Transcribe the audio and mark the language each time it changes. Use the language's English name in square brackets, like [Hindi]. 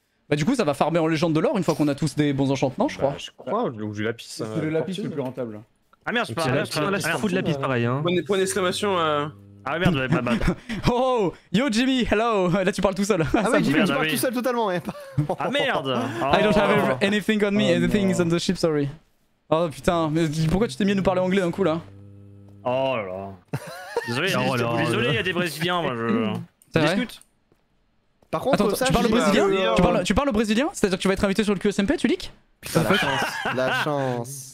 [French] Bah, du coup, ça va farmer en légende de l'or une fois qu'on a tous des bons enchantements, je crois. Je crois, ou du lapis. C'est le lapis le plus rentable. Ah merde, je suis pas fou de lapis, pareil. Point d'exclamation. Ah merde, j'avais pas mal. Oh, yo Jimmy, hello. Là tu parles tout seul. Ah ouais, Jimmy, merde, tu parles tout seul totalement. Ah merde. Oh. [English] I don't have anything on me, oh, anything is on the ship, sorry. [French] Oh putain, mais pourquoi tu t'es mis à nous parler anglais d'un coup là? Oh là là. Désolé, désolé, il y a des Brésiliens, moi je... C'est vrai discute. Par contre, attends, ça, tu parles au Brésilien? Tu parles au Brésilien? C'est-à-dire que tu vas être invité sur le QSMP, tu leak? Putain, la chance, la chance.